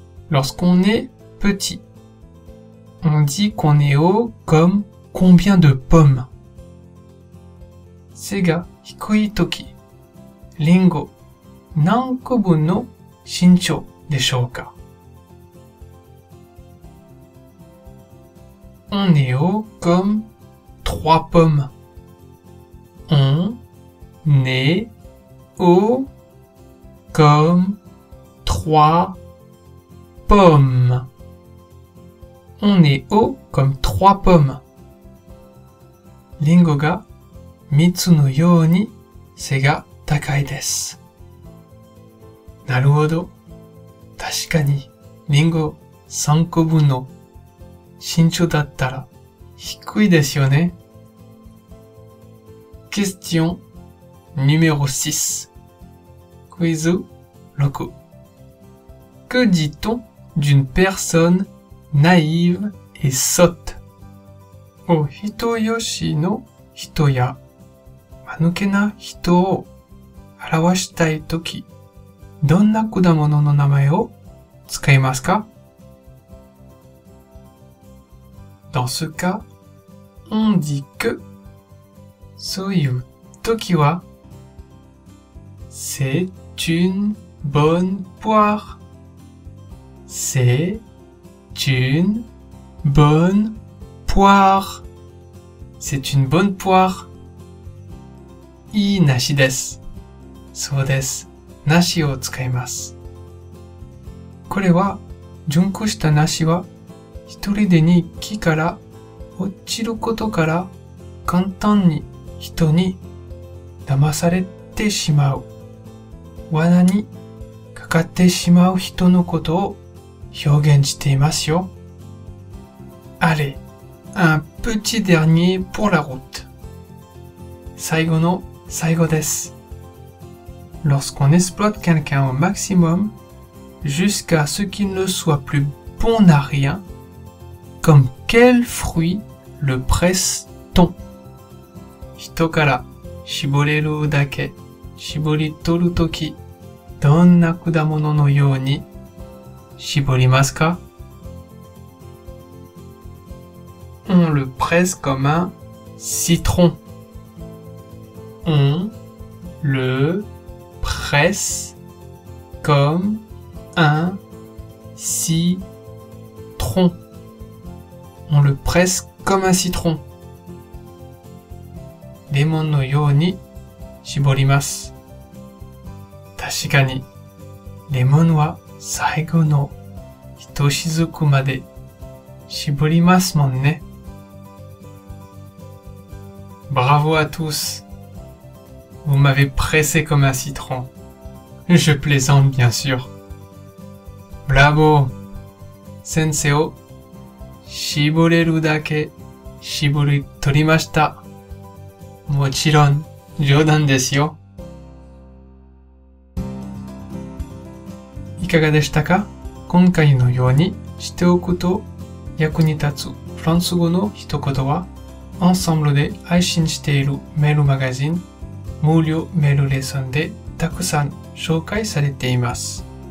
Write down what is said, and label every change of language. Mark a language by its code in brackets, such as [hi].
[fr] Lorsqu'on est petit, on dit qu'on est haut comme combien de pommes? [ja] 背が低いとき、リンゴ、何個分の身長でしょうか? [fr] On est haut comme 3 pommes. On est haut comme 3 pommes. On est haut comme 3 pommes. [ja] Lingo ga mitsu no you ni se ga takai desu. Naruhodo. Tashika ni lingo 3 ko bun no身長だったら低いですよね。 [fr] Question numéro 6. Quiz 6. Que dit-on d'une personne naïve et sotte? [ja] お人よしの人や、間抜けな人を表したいとき、どんな果物の名前を使いますか? [fr] Dans ce cas, on dit que [ja] そういう時は、 [fr] C'est une bonne poire. C'est une bonne poire. C'est une bonne poire. [ja] いい梨です。そうです。梨を使います。これは、熟した梨は、一人でに木から落ちることから、簡単に人に騙されてしまう。罠にかかってしまう人のことを表現していますよ。 [fr] Allez, un petit dernier pour la route. [ja] 最後の最後です。 [fr] Lorsqu'on exploite quelqu'un au maximum, jusqu'à ce qu'il ne soit plus bon à rien, comme quel fruit le presse-t-on? [ja] 人から絞れるだけ絞り取るとき、どんな果物のように絞りますか? [fr] On le presse comme un citron. On le presse comme un citron. On le presse comme un citron. [ja] レモンのように絞ります。確かに、レモンは最後の一滴まで絞りますもんね。 [fr] Bravo à tous! Vous m'avez pressé comme un citron. Je plaisante bien sûr. Bravo! [ja] 先生を絞れるだけ絞り取りました。もちろん冗談ですよ。いかがでしたか?今回のようにしておくと役に立つフランス語の一言は、アンサンブルで配信しているメールマガジン、無料メールレッスンでたくさん紹介されています。